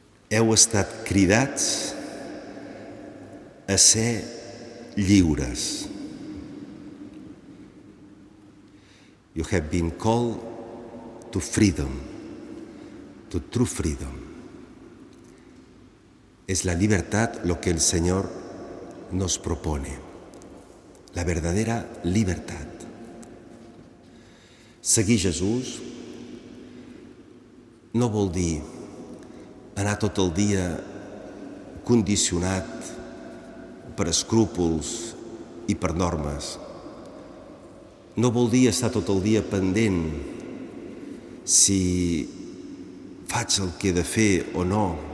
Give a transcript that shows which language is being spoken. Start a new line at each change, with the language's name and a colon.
Catalan: Heu estat cridats a ser lliures.
English: You have been called to freedom, to true freedom.
Spanish: Es la libertad lo que el Señor nos propone, la verdadera libertad.
Catalan: Seguir Jesús no vol dir anar tot el dia condicionat per escrúpols i per normes. No vol dir estar tot el dia pendent si faig el que he de fer o no.